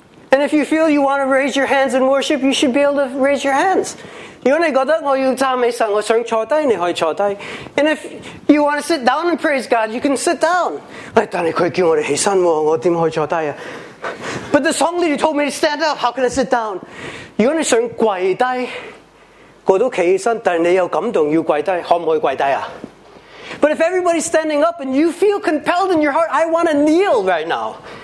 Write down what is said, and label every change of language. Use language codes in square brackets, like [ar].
[en] And if you feel you want to raise your hands in worship, you should be able to raise your hands. [yue] 如果你觉得我要赞美神，我想坐低，你可以坐低。 [en] And if you want to sit down and praise God, you can sit down. [yue] 但是他叫我起身，我怎么可以坐低啊？ [en] But the song leader told me to stand up, how can I sit down? [yue] 如果你想跪低，我都起身，但是你有感动要跪低，可唔可以跪低啊？ [en] But if everybody's standing up and you feel compelled in your heart, I want to kneel right now.